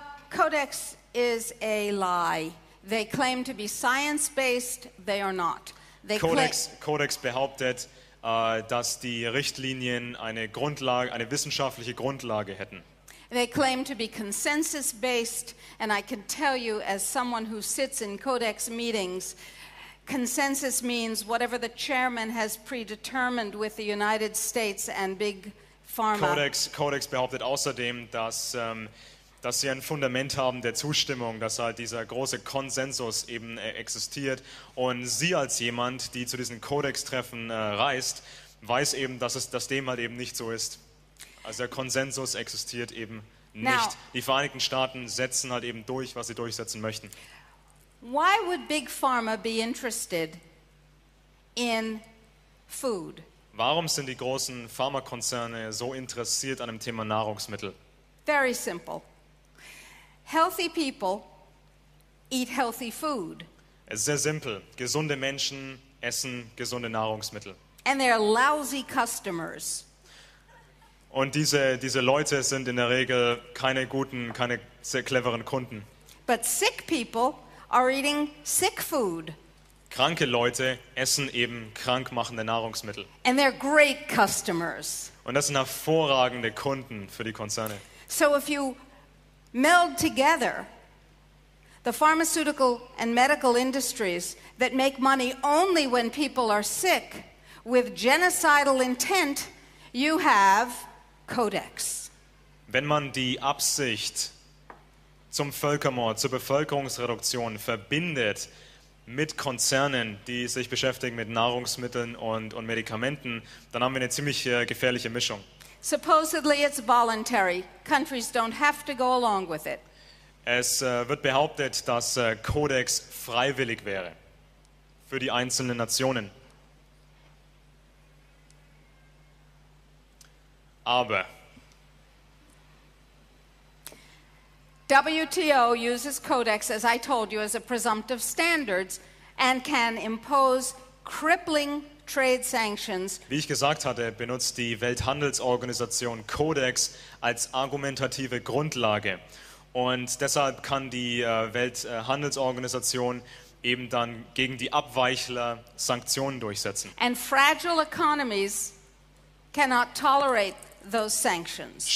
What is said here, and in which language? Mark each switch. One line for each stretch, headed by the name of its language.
English: Codex is a lie. They claim to be science-based. They are not.
German: Codex behauptet, dass die Richtlinien eine wissenschaftliche Grundlage hätten.
English: They claim to be consensus-based, and I can tell you, as someone who sits in Codex meetings, consensus means whatever the chairman has predetermined with the United States and Big Pharma.
German: Codex behauptet außerdem, dass sie ein Fundament haben der Zustimmung, dass halt dieser große Konsensus eben existiert. Und sie als jemand, die zu diesen Codex-Treffen reist, weiß eben, dass dem halt eben nicht so ist. Also der Konsensus existiert eben nicht. Now, die Vereinigten Staaten setzen halt eben durch, was sie durchsetzen möchten.
English: Why would Big Pharma be interested in food?
German: Warum sind die großen Pharmakonzerne so interessiert an dem Thema Nahrungsmittel?
English: Very simple. Healthy people eat healthy food.
German: Es ist sehr simpel. Gesunde Menschen essen gesunde Nahrungsmittel.
English: And they're lousy customers.
German: Und diese Leute sind in der Regel keine guten, keine sehr cleveren Kunden.
English: But sick people are eating sick food.
German: Kranke Leute essen eben krankmachende Nahrungsmittel.
English: And they're great customers.
German: Und das sind hervorragende Kunden für die Konzerne.
English: So if you meld together the pharmaceutical and medical industries that make money only when people are sick with genocidal intent, you have Codex.
German: Wenn man die Absicht zum Völkermord, zur Bevölkerungsreduktion verbindet mit Konzernen, die sich beschäftigen mit Nahrungsmitteln und Medikamenten, dann haben wir eine ziemlich gefährliche Mischung.
English: Supposedly it's voluntary. Countries don't have to go along with it.
German: Es wird behauptet, dass Codex freiwillig wäre für die einzelnen Nationen. Aber
English: WTO uses Codex, as I told you, as a presumptive standards and can impose crippling trade sanctions.
German: Wie ich gesagt hatte, benutzt die Welthandelsorganisation Codex als argumentative Grundlage. Und deshalb kann die Welthandelsorganisation eben dann gegen die Abweichler Sanktionen durchsetzen.
English: And fragile economies cannot tolerate those sanctions.